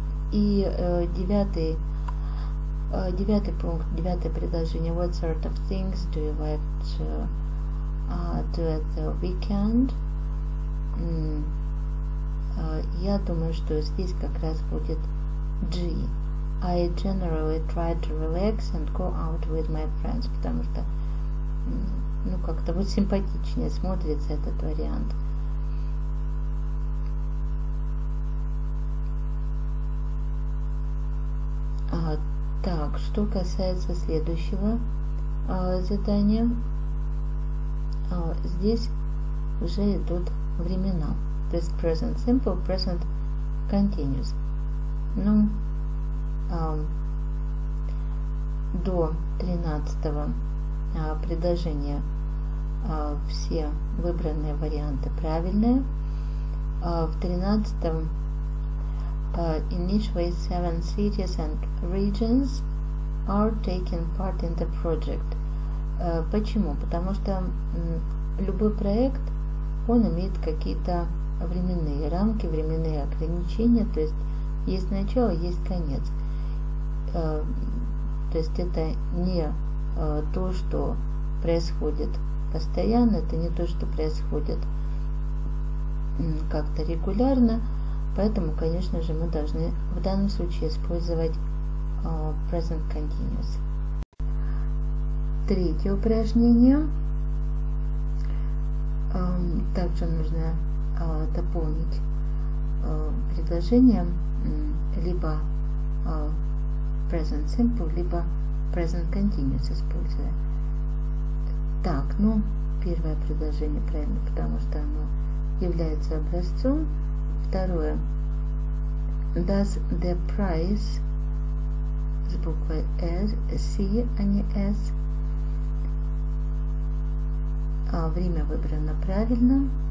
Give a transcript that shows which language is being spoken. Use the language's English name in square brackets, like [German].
[Russian] И девятый пункт, девятое предложение. [English] What sort of things do you like to do at the weekend? [Russian] Я думаю, что здесь как раз будет G. [English] I generally try to relax and go out with my friends, [Russian] потому что ну как-то вот симпатичнее смотрится этот вариант. Так, что касается следующего задания, здесь уже идут времена, то есть present simple, present continuous. Ну, до 13-го предложения все выбранные варианты правильные. В 13-м [English] initially seven cities and regions are taking part in the project. [Russian] Почему? Потому что любой проект, он имеет какие-то временные рамки, временные ограничения, то есть есть начало, есть конец. То есть это не то, что происходит постоянно, это не то, что происходит как-то регулярно, поэтому, конечно же, мы должны в данном случае использовать present continuous. Третье упражнение. Также нужно дополнить предложение либо present simple, либо present continuous используя. Так, ну, первое предложение правильно, потому что оно является образцом. Второе. [English] Does the price [Russian] с буквой [English] S, C, [Russian] а не [English] S. [Russian] А время выбрано правильно.